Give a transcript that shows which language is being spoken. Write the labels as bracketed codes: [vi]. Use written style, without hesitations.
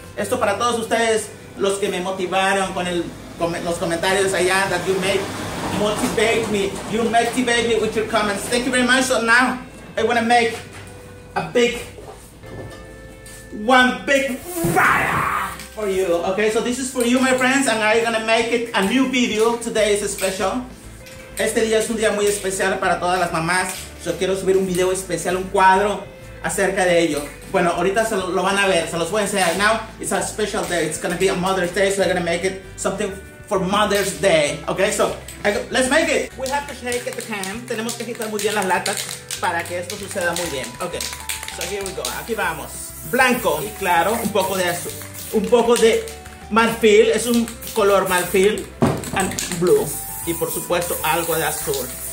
[es] Esto para todos ustedes, los que me motivaron con el, los comentarios allá, [en] that you made, motivate me, you motivate me with your comments. Thank you very much. So now, I want to make a big, one big fire for you. Okay, so this is for you, my friends, and I'm gonna make it a new video. Today is special. [es] Este día es un día muy especial para todas las mamás. Yo quiero subir un video especial, un cuadro acerca de ello. Bueno, ahorita se lo van a ver, se los voy a enseñar. [en] Now, it's a special day. It's gonna be a Mother's Day, so I'm gonna make it something for Mother's Day. Okay, so let's make it. We have to shake at the can. [es] Tenemos que agitar muy bien las latas para que esto suceda muy bien. [en] Ok, so here we go, [es] aquí vamos. Blanco y claro, un poco de azul, un poco de marfil, es un color marfil, [en] and blue, [es] y por supuesto algo de azul.